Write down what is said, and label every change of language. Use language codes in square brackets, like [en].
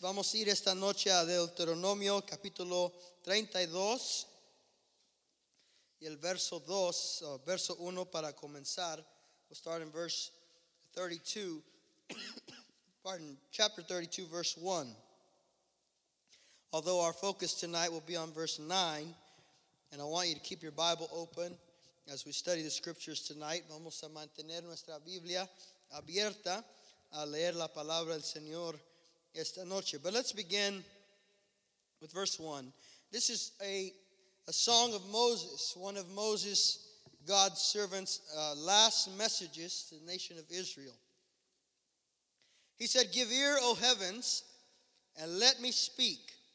[es] Vamos a ir esta noche a Deuteronomio capítulo 32 y el verso 2, verso 1 para comenzar. [en] We'll start in verse 32. Pardon, chapter 32, verse 1. Although our focus tonight will be on verse 9, and I want you to keep your Bible open as we study the scriptures tonight. [es] Vamos a mantener nuestra Biblia abierta a leer la palabra del Señor esta noche. [en] But let's begin with verse 1. This is a song of Moses, one of Moses, God's servant's last messages to the nation of Israel. He said, "Give ear, O heavens, and let me speak.